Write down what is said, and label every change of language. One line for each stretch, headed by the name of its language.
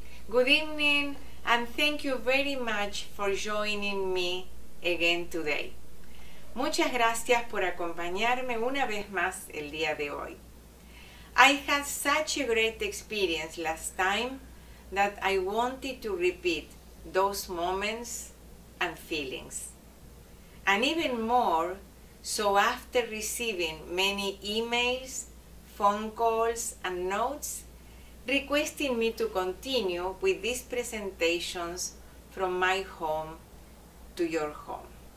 English: Good evening, and thank you very much for joining me again today.
Spanish: Muchas gracias por acompañarme una vez más el día de hoy.
English: I had such a great experience last time that I wanted to repeat those moments and feelings. And even more, so after receiving many emails, phone calls, and notes, requesting me to continue with these presentations from my home to your home.